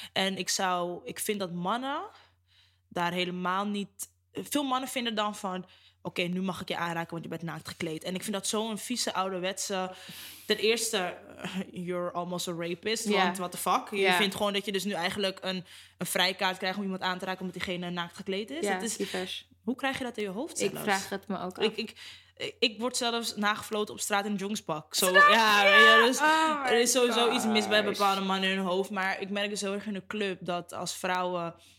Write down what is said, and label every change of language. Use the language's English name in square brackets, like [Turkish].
[Dutch] En ik vind dat mannen daar helemaal niet... veel mannen vinden dan van... oké, nu mag ik je aanraken, want je bent naakt gekleed. En ik vind dat zo'n vieze, ouderwetse... ten eerste, [English] you're almost a rapist, [Dutch] want [English] what the fuck? [Dutch] Je vindt gewoon dat je dus nu eigenlijk een vrijkaart krijgt... om iemand aan te raken omdat diegene naakt gekleed is. Ja, is hoe krijg je dat in je hoofd zelfs? Ik vraag het me ook af. Ik word zelfs nagefloten op straat in een jongenspak. [English] So, [Dutch] ja, dus oh, er is sowieso iets mis bij bepaalde mannen in hun hoofd. Maar ik merk het zo erg in de club dat als vrouwen...